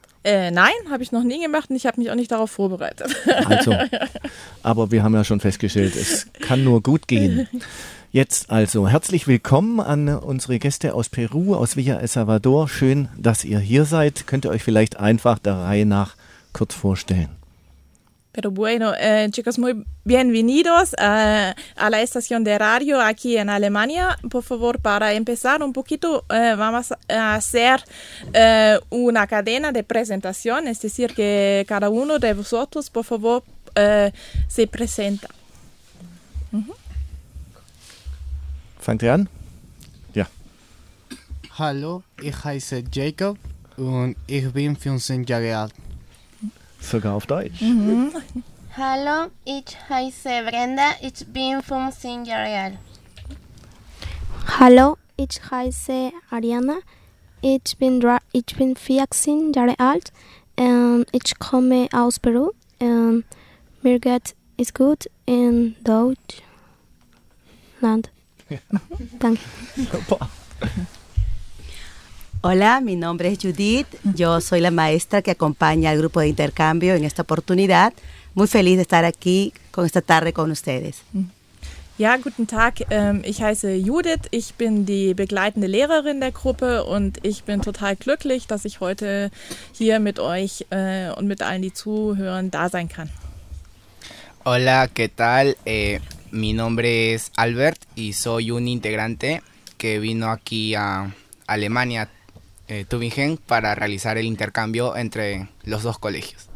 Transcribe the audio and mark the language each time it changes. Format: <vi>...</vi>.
<de>Nein, habe ich noch nie gemacht und ich habe mich auch nicht darauf vorbereitet. Also, aber wir haben ja schon festgestellt, es kann nur gut gehen. Jetzt also herzlich willkommen an unsere Gäste aus Peru, aus Villa El Salvador. Schön, dass ihr hier seid. Könnt ihr euch vielleicht einfach der Reihe nach kurz vorstellen?</de> <es>Pero bueno, chicos, muy bienvenidos a la estación de radio aquí en Alemania. Por favor, para empezar un poquito, vamos a hacer una cadena de presentación, es decir, que cada uno de vosotros, por favor, se presenta. Uh-huh.</es> <de>Fangt ihr an? Ja. Hallo, ich heiße Jacob und ich bin 15 Jahre alt. Sogar auf Deutsch. Mhm. Hallo, ich heiße Brenda, ich bin 15 Jahre alt. Hallo, ich heiße Ariana, ich bin 14 Jahre alt und ich komme aus Peru. Mir geht es gut in Deutschland. Ja. Danke. Super.</de> <es>Hola, mi nombre es Judith. Yo soy la maestra que acompaña al grupo de intercambio en esta oportunidad. Muy feliz de estar aquí con esta tarde con ustedes.</es> <de>Ja, guten Tag. Ich heiße Judith. Ich bin die begleitende Lehrerin der Gruppe und ich bin total glücklich, dass ich heute hier mit euch und mit allen, die zuhören, da sein kann.</de> <es>Hola, ¿qué tal? Mi nombre es Albert y soy un integrante que vino aquí a Alemania, Tübingen, para realizar el intercambio entre los dos colegios.</es>